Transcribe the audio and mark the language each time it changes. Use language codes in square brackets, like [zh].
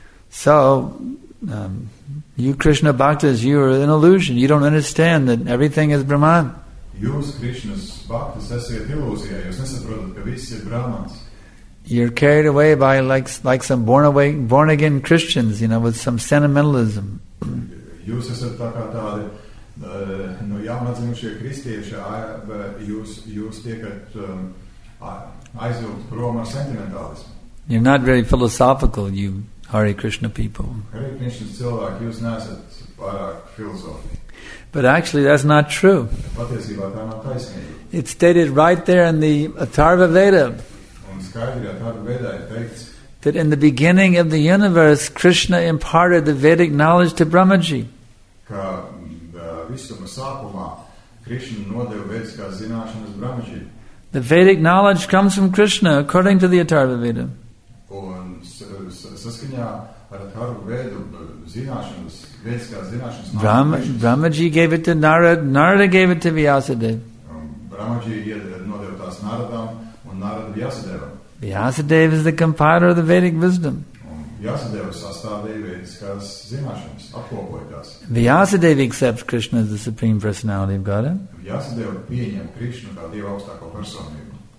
[en] So, you Krishna Bhaktas, you are an illusion. You don't understand that everything is Brahman. [lv] Jūs, Krishnas Bhaktas, esiet ilūzijā. Jūs nesaprotat, ka viss ir Brahmans. [en] You're carried away by like some born-again Christians, you know, with some sentimentalism. [lv] Jūs esat tā kā tādi, no jaunatzimušie kristieši, jūs tiekat aizvilkt prom ar sentimentalismu. [en] You're not very philosophical, you Hare Krishna people. [lv] Hare Krishna cilvēki, jūs neesat pārāk filozofi. [en] But actually, that's not true. [lv] Patiesībā tā nav taisnība. [en] It's stated right there in the Atharva Veda. [lv] Un skaidri Atharva Veda ir teikts. [en] That in the beginning of the universe, Krishna imparted the Vedic knowledge to Brahmaji. [lv] Ka visuma sākumā, Krishna nodeva vediskās zināšanas Brahmaji. [en] The Vedic knowledge comes from Krishna, according to the Atharva Veda. [lv] Un saskaņā ar Atharva Vedu zināšanas, vēdiskās zināšanas [en] Brahmaji gave it to Narada gave it to Vyasadeva. [lv] Brahmaji nodeva tās Naradam un Narada Vyasadevam. [en] Vyasadeva is the compiler of the Vedic wisdom. [lv] Vyasadeva sastādīja vēdiskās zināšanas, apkopojotās. [en] Vyasadeva accepts Krishna as the Supreme Personality of God. [lv] Vyasadeva pieņem Krishna kā Dieva augstāko personību.